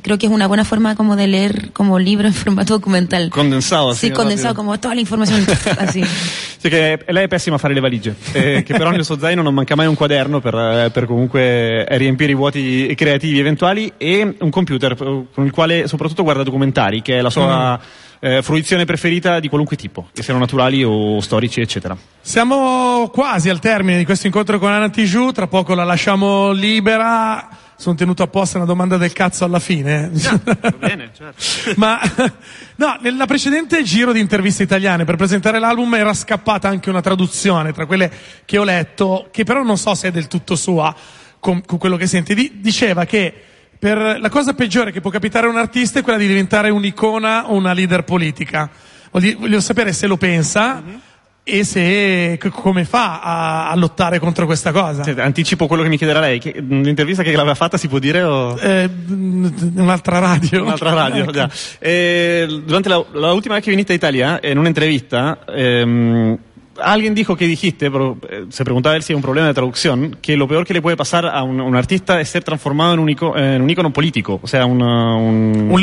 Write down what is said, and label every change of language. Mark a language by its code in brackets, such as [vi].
[es] Creo que es una buena forma como de leer como libro en formato documental. Condensado, así. Sí, condensado, rápido. Como toda la información, así. [it] Sí, que lei è pessima a fare le valigie, che però nel suo zaino non manca mai un quaderno per comunque riempire i vuoti creativi eventuali, e un computer con il quale soprattutto guarda documentari, che è la sua... fruizione preferita di qualunque tipo, che siano naturali o storici, eccetera. Siamo quasi al termine di questo incontro con Anna Tijoux, tra poco la lasciamo libera. Sono tenuto apposta una domanda del cazzo alla fine. Va bene, certo. Ma no, nella precedente giro di interviste italiane per presentare l'album era scappata anche una traduzione tra quelle che ho letto, che però non so se è del tutto sua con quello che senti. Diceva che per la cosa peggiore che può capitare a un artista è quella di diventare un'icona o una leader politica. voglio sapere se lo pensa. E se come fa a lottare contro questa cosa? Senta, anticipo quello che mi chiederà lei, che l'intervista che l'aveva fatta si può dire o un'altra radio ecco. Già. [es] Durante la ultima [it] che è venuta in Italia in un'intervista [es] alguien dijo que dijiste, pero se preguntaba él si es un problema de traducción, que lo peor que le puede pasar a un artista es ser transformado en un ícono político, o sea, un